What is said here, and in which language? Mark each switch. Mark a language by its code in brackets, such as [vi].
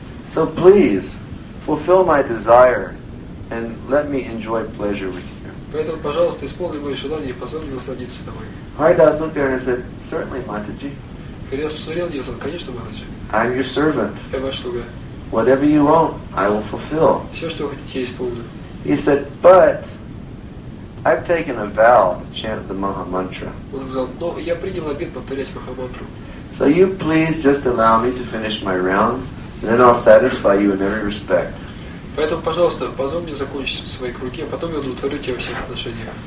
[en] So please, fulfill my desire and let me enjoy pleasure with you." [ru] Поэтому, пожалуйста, исполни мои желания и позволь мне насладиться тобой. [en] Haridas looked at her and said, "Certainly, Mataji." [ru] Haridas посмотрел на нее и сказал, "Конечно, Mataji." [en] "I'm your servant. [ru] Я ваш слуга. [en] Whatever you want, I will fulfill." [ru] Все, что вы хотите, я исполню. [en] He said, "But I've taken a vow to chant the Maha Mantra." [ru] Он сказал, "Но я принял обет повторять Маха Мантру." [en] "So you please just allow me to finish my rounds, and then I'll satisfy you in every respect." [ru] Поэтому, пожалуйста, позволь мне закончить свои круги, а потом я удовлетворю тебя во всех отношениях.